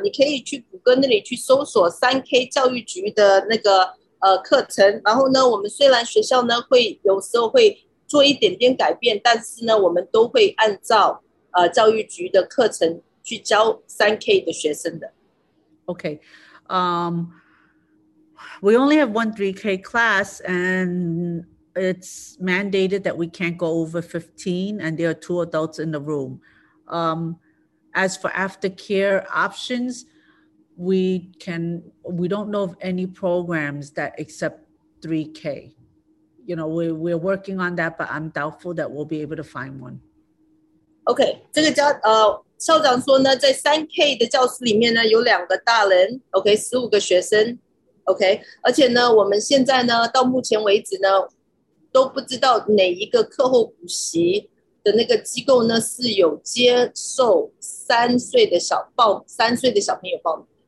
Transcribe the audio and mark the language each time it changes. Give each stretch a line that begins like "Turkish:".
Chinese: 你可以去谷歌那里去搜索 3K 教育局的那个课程。然后呢，我们虽然学校呢会有时候会做一点点改变，但是呢，我们都会按照教育局的课程去教 3K 的学生的。
English: Okay, we only have one 3K class, and it's mandated that we can't go over 15, and there are two adults in the room. As for aftercare options, we don't know of any programs that accept 3K. You know, we're working on that, but I'm doubtful that we'll be able to find one.
Chinese: Okay, 这个教校长说呢，在 3K 的教室里面呢，有两个大人 ，OK， 15个学生 ，OK， 而且呢，我们现在呢，到目前为止呢，都不知道哪一个课后补习的那个机构呢，是有接受三岁的小朋友报名。